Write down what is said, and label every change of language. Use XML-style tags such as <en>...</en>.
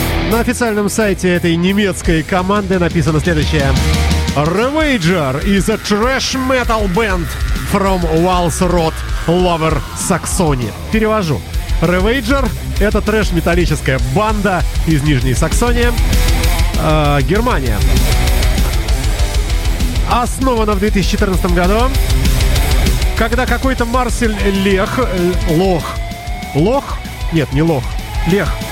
<ru>На официальном сайте этой немецкой команды написано следующее.</ru> <en>Ravage is a trash metal band from Walsrod, Lower Saxony.</en> <ru>Перевожу. Ravage — это трэш-металлическая банда из Нижней Саксонии, Германия. Основана в 2014 году, когда какой-то Марсель Лех... Лох. Лох? Нет, не Лох. Лех.</ru>